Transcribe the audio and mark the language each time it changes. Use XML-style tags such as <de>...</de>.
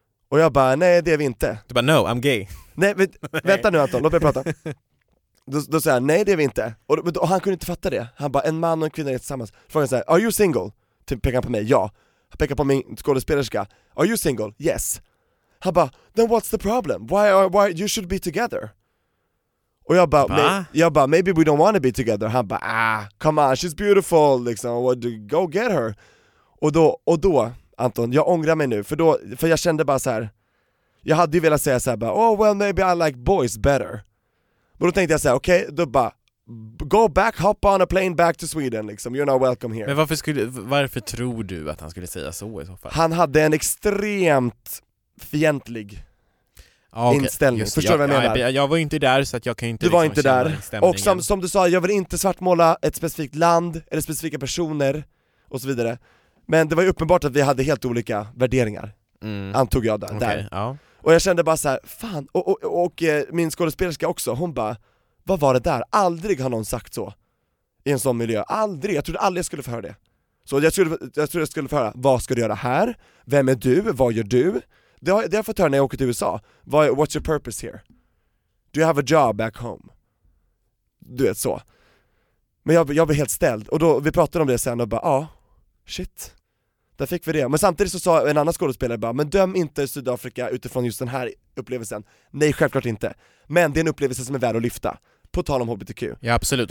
<sv>Och jag bara, nej, det är vi inte.</sv> <en>Du bara, no, I'm gay.</en> <sv>Nej, vänta nu Anton, låt mig prata. Då säger han, nej, det är vi inte. Och han kunde inte fatta det. Han bara, en man och en kvinna är tillsammans. Då frågade han så här, are you single? Typ pekar på mig, ja. Han pekar på min skådespelerska. Are you single? Yes.</sv> <en>Han bara, then what's the problem? Why you should be together? Och jag bara, maybe we don't want to be together. Han bara, come on, she's beautiful. Liksom. Go get her.</en> <sv>Och då, Anton, jag ångrar mig nu. För jag kände bara så här. Jag hade ju velat säga så här, bara, oh well, maybe I like boys better. Men då tänkte jag så här, okej, då bara, go back, hop on a plane back to Sweden.</sv> <en>Liksom. You're not welcome here.</en> <sv>Men varför tror du att han skulle säga så fall? Han hade en extremt fientlig inställning. Just, förstår du vad jag menar? Jag var inte där så att jag kan inte. Du var inte där. Och som du sa, jag vill inte svartmåla ett specifikt land eller specifika personer och så vidare. Men det var ju uppenbart att vi hade helt olika värderingar. Mm. Antog jag där. Okay, ja. Och jag kände bara så här, fan. Och min skådespelerska också, hon bara, vad var det där? Aldrig har någon sagt så i en sån miljö. Aldrig. Jag trodde aldrig jag skulle få höra det. Så jag trodde jag skulle få höra, vad ska du göra här? Vem är du? Vad gör du? Det har jag fått höra när jag åker till USA.</sv> <en>What's your purpose here? Do you have a job back home?</en> <sv>Du vet så. Men jag blev helt ställd. Och då, vi pratade om det sen och bara, shit. Där fick vi det. Men samtidigt så sa en annan skådespelare bara, men döm inte Sydafrika utifrån just den här upplevelsen. Nej, självklart inte. Men det är en upplevelse som är värd att lyfta. På tal om HBTQ. Ja, absolut.</sv>